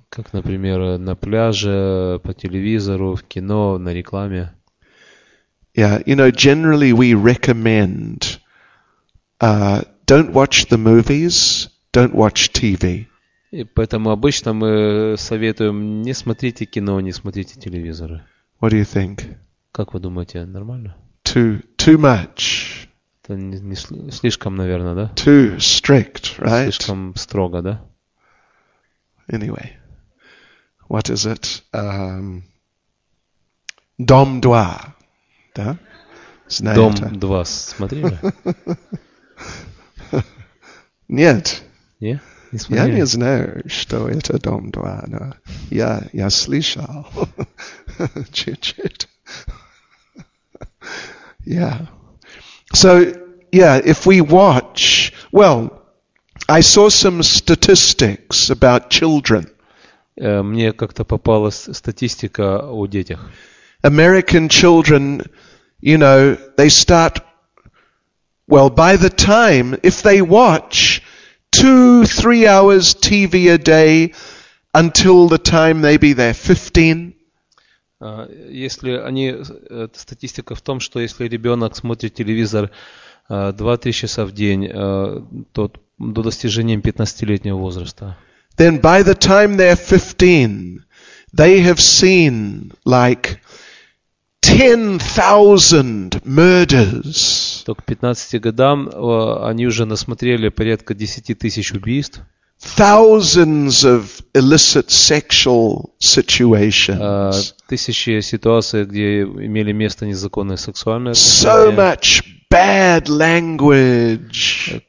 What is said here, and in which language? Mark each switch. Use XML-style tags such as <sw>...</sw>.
<ru>Как, например, на пляже, по телевизору, в кино, на рекламе.</ru> <en>Yeah, you know, generally we recommend don't watch the movies, don't watch TV.</en> <ru>И поэтому обычно мы советуем не смотрите кино, не смотрите телевизоры.</ru> <en>What do you think?</en> <ru>Как вы думаете, нормально?</ru> <en>Too much.</en> <ru>Это не слишком, наверное, да?</ru> <en>Too strict, right?</en> <ru>Слишком строго, да?</ru> <en>Anyway. What is it? Дом 2.</en> <ru>Да? Знаете? Дом 2. Смотрели? Нет. Нет? Я не знаю, что это дом 2, но я слышал чуть-чуть.</ru> <en>So, if we watch, well, I saw some statistics about children.</en> <ru>Мне как-то попалась статистика о детях.</ru> <en>American children, you know, they start, well, by the time, if they watch 2-3 hours TV a day until the time maybe they're 15.</en> <ru>Если они, статистика в том, что если ребенок смотрит телевизор 2-3 часа в день, то до достижения 15-летнего возраста.</ru> <en>Then by the time they're 15, they have seen like 10,000 murders.</en> <ru>То к 15 годам они уже насмотрели порядка 10,000 убийств.</ru> <en>Thousands of illicit sexual situations.</en> <ru>Тысячи ситуаций, где имели место незаконные сексуальные отношения.</ru> <en>So much bad language.</en>